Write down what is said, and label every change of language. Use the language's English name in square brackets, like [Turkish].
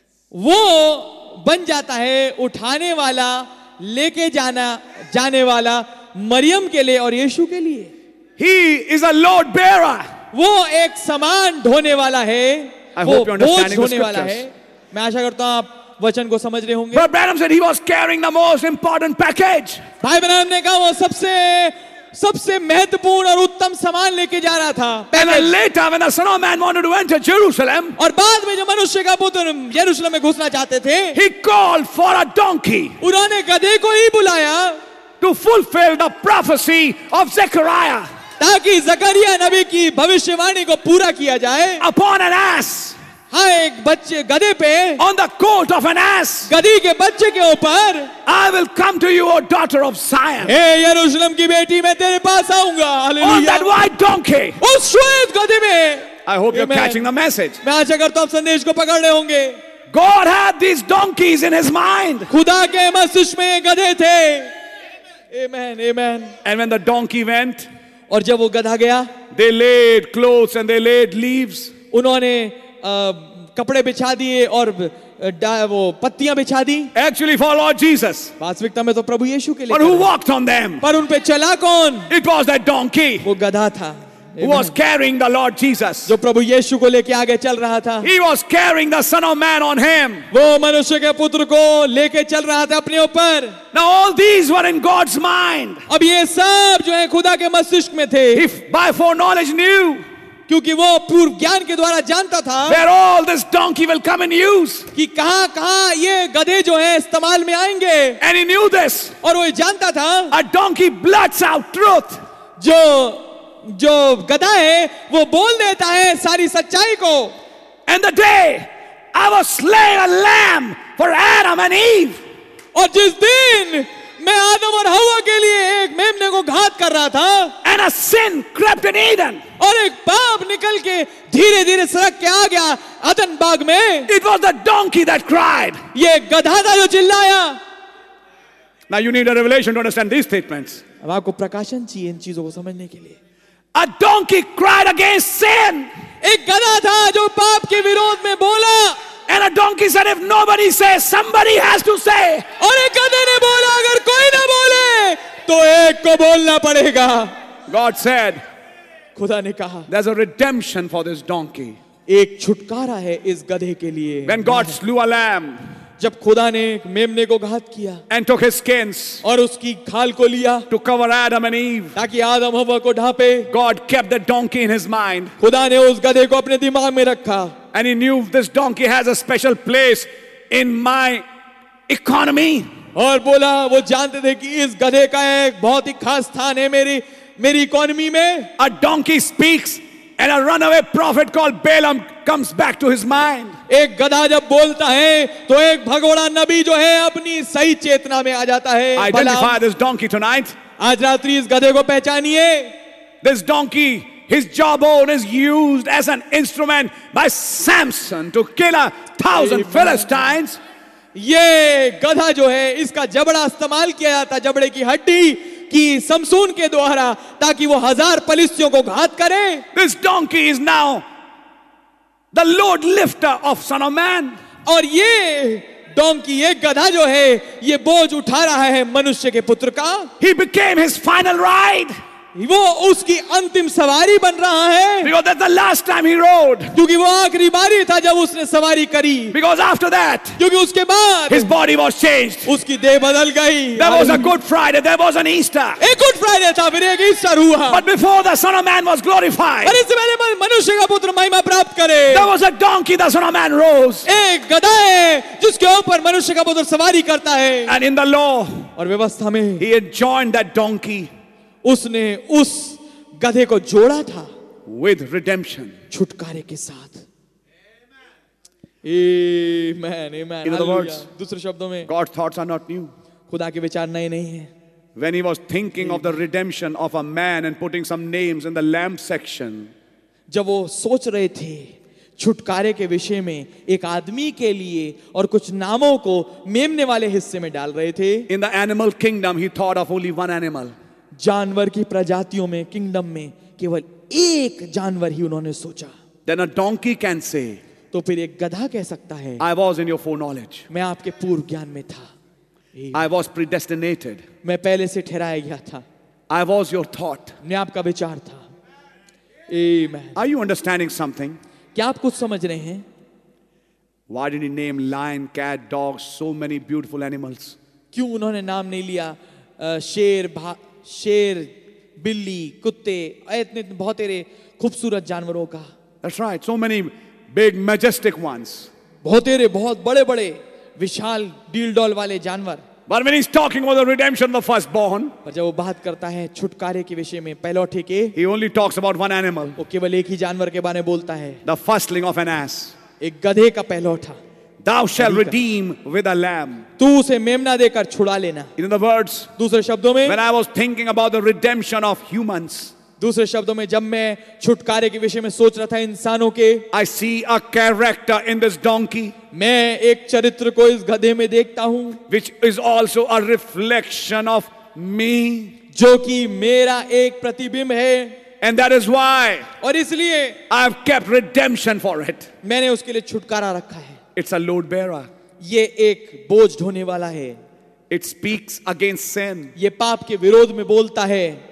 [Hindi] वो बन जाता है उठाने वाला, लेके जाना जाने वाला मरियम के लिए और यीशु के लिए. [English] He is a load bearer. [Hindi] वो एक सामान ढोने वाला है. [English] I hope you're understanding the scriptures. [Hindi] मैं आशा करता हूं आप वचन को समझ रहे होंगे. [English] But Branham said he was carrying the most important package. [Hindi] भाई ब्रैनम ने कहा वो सबसे सबसे महत्वपूर्ण और उत्तम सामान लेके जा रहा था. [English] And later when the Son of Man wanted to enter Jerusalem, [Hindi] और बाद में जो मनुष्य का पुत्र यरूशलेम में घुसना चाहते थे, [English] he called for a donkey. [Hindi] उन्होंने गधे को ही बुलाया. [English] To fulfill the prophecy of Zechariah. [Hindi] ताकि जकरिया नबी की भविष्यवाणी को पूरा किया जाए. [English] Upon an ass. [Hindi] हाँ, एक बच्चे गधे पे. [English] On the coat of an ass. [Hindi] गधी के बच्चे के ऊपर. [English] I will come to you, O daughter of Zion. [Hindi] ए यरूशलेम की बेटी, मैं तेरे पास आऊंगा. [English] On that white donkey. [Hindi] उस श्वेत गधे में. [English] I hope you're catching the message. [Hindi] मैं आशा करता हूँ संदेश को पकड़ रहे होंगे. [English] God had these donkeys in His mind. [Hindi] खुदा के मस्तिष्क में गधे थे. [English] Amen, amen. And when the donkey went. [Hindi] और जब वो गधा गया. [English] They laid clothes and they laid leaves. [Hindi] उन्होंने कपड़े बिछा दिए और वो पत्तियां बिछा दी. [English] Actually for Lord Jesus. [Hindi] वास्तविकता में तो प्रभु यीशु के लिए. [English] But who walked on them? [Hindi] पर उन पे चला कौन? [English] It was that donkey. [Hindi] वो गधा था. [English] Who was carrying the Lord Jesus? [Hindi] जो प्रभु यीशु को लेके आगे चल रहा था. [English] He was carrying the Son of Man on him. [Hindi] वो मनुष्य के पुत्र को लेके चल रहा था अपने ऊपर. [English] Now all these were in God's mind. [Hindi] अब ये सब जो है खुदा के मस्तिष्क में थे. [English] If by foreknowledge knew. [Hindi] क्योंकि वो पूर्व ज्ञान के द्वारा जानता था. [English] Where all this donkey will come in use. [Hindi] कि कहां कहां ये गधे जो है इस्तेमाल में आएंगे. [English] And he knew this. [Hindi] और वो ये जानता था. [English] A donkey blurts out truth. [Hindi] जो जो गधा है वो बोल देता है सारी सच्चाई को. [English] And the day I was slaying a lamb for Adam and Eve. [Hindi] और जिस दिन मैं आदम और हवा के लिए एक मेमने को घात कर रहा था. [English] And a sin crept in Eden. [Hindi] और एक पाप निकल के धीरे धीरे सरक के आ गया अदन बाग में. [English] It was the donkey that cried. [Hindi] ये गधा था जो चिल्लाया. [English] Now you need a revelation to understand these statements. [Hindi] अब आपको प्रकाशन चाहिए इन चीजों को समझने के लिए. [English] A donkey cried against sin. [Hindi] एक गधा था जो पाप के विरोध में बोला. [English] And a donkey said, if nobody says, somebody has to say. [Hindi] और एक गधे ने बोला, अगर कोई ना बोले तो एक को बोलना पड़ेगा. [English] God said, [Hindi] खुदा ने कहा, [English] there's a redemption for this donkey. [Hindi] एक छुटकारा है इस गधे के लिए. [English] When God slew a lamb, [Hindi] जब खुदा ने एक मेमने को घात किया. [English] And took his skins, [Hindi] और उसकी खाल को लिया. [English] To cover Adam and Eve, [Hindi] ताकि आदम हव्वा को ढापे. [English] God kept the donkey in his mind. [Hindi] खुदा ने उस गधे को अपने दिमाग में रखा. [English] And he knew this donkey has a special place in my economy. [Hindi] और बोला वो जानते थे कि इस गधे का एक बहुत ही खास स्थान है मेरी मेरी इकोनॉमी में. [English] A donkey speaks and a runaway prophet called Balaam comes back to his mind. [Hindi] एक गधा जब बोलता है तो एक भगोड़ा नबी जो है अपनी सही चेतना में आ जाता है. [English] Identify this donkey tonight. [Hindi] आज रात्रि इस गधे को पहचानिए. [English] This donkey, his jawbone is used as an instrument by Samson to kill 1,000 Philistines. [Hindi] ये गधा जो है इसका जबड़ा इस्तेमाल किया जाता, जबड़े की हड्डी की समसून के द्वारा, ताकि वो 1,000 पलिस्तियों को घात करे. [English] This donkey is now the load lifter of Son of Man. [Hindi] और ये डोंकी, ये गधा जो है, ये बोझ उठा रहा है मनुष्य के पुत्र का. [English] He became his final ride. [Hindi] वो उसकी अंतिम सवारी बन रहा है. [English] Because that's the last time he rode. [Hindi] क्योंकि वो आखिरी बारी था जब उसने सवारी करी. [English] Because after that, [Hindi] क्योंकि उसके बाद, [English] his body was changed. [Hindi] उसकी देह बदल गई. [English] There was a Good Friday, there was an Easter. [Hindi] एक Good Friday था, फिर एक Easter हुआ. [English] But before the Son of Man was glorified, [Hindi] और इससे पहले मनुष्य का पुत्र महिमा प्राप्त करे, [English] there was a donkey, the Son of Man rose. [Hindi] एक गधा है जिसके ऊपर मनुष्य का पुत्र सवारी करता है. [English] And in the law, [Hindi] और व्यवस्था में, [English] he had joined that donkey. [Hindi] उसने उस गधे को जोड़ा था [English] with redemption, [Hindi] छुटकारे के साथ. Amen, amen. [English] In other words, [Hindi] दूसरे शब्दों में, [English] God's thoughts are not new. [Hindi] खुदा के विचार नए नहीं हैं. [English] When he was thinking of the redemption of a man and putting some names in the lamb section, [Hindi] जब वो सोच रहे थे छुटकारे के विषय में एक आदमी के लिए और कुछ नामों को मेमने वाले हिस्से में डाल रहे थे. [English] In the animal kingdom, he thought of only one animal. [Hindi] जानवर की प्रजातियों में किंगडम में केवल एक जानवर ही उन्होंने सोचा. [English] Then a donkey can say, [Hindi] तो फिर एक गधा कह सकता है, [English] I was in your foreknowledge. [Hindi] मैं आपके पूर्व ज्ञान में था. [English] I was predestinated. [Hindi] मैं पहले से ठहराया गया था. [English] I was your thought. [Hindi] मैं आपका विचार था. Amen. [English] Are you understanding something? [Hindi] क्या आप कुछ समझ रहे हैं? [English] Why did he name lion, cat, dogs, so many beautiful animals? [Hindi] क्यों उन्होंने नाम नहीं लिया शेर, शेर, बिल्ली, कुत्ते, इतने बहुत तेरे खूबसूरत जानवरों का. [English] That's right. So many big, majestic ones. [Hindi] बहुत तेरे बहुत बड़े-बड़े विशाल डील-डॉल वाले जानवर. [English] But when he's talking about the redemption of the firstborn, [Hindi] पर जब वो बात करता है छुटकारे के विषय में पहलौठे के, [English] he only talks about one animal, [Hindi] वो केवल एक ही जानवर के बारे में बोलता है, [English] the firstling of an ass, [Hindi] एक गधे का पहलौठा. [English] Thou shall redeem with a lamb. [Hindi] तू उसे मेमना देकर छुड़ा लेना. [English] In other words, [Hindi] दूसरे शब्दों में, [English] when I was thinking about the redemption of humans, [Hindi] दूसरे शब्दों में जब मैं छुटकारे के विषय में सोच रहा था इंसानों के, [English] I see a character in this donkey. [Hindi] मैं एक चरित्र को इस गधे में देखता हूं, [English] which is also a reflection of me. [Hindi] जो कि मेरा एक प्रतिबिंब है. [English] And that is why, [Hindi] और इसलिए, [English] I have kept redemption for it. [Hindi] मैंने उसके लिए छुटकारा रखा है. [English] It's a load bearer. [Hindi] ये एक बोझ ढोने वाला है. [English] It speaks against sin. [Hindi] ये पाप के विरोध में बोलता है.